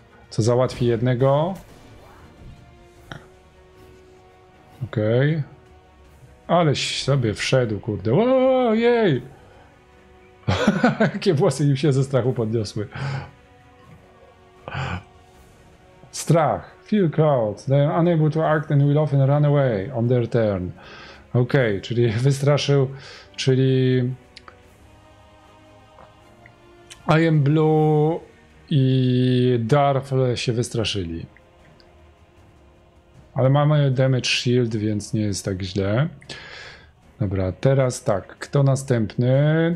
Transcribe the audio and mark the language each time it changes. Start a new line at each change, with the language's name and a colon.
Polish: Co załatwi jednego. Okej. Okay. Aleś sobie wszedł, kurde. Ojej! Jakie włosy im się ze strachu podniosły. Strach.
English: Feel cold. They are unable to act and will often run away on their turn.
Polish: Okej, okay, czyli wystraszył, czyli... I am blue i Darf się wystraszyli. Ale mamy damage shield, więc nie jest tak źle. Dobra, teraz tak, kto następny?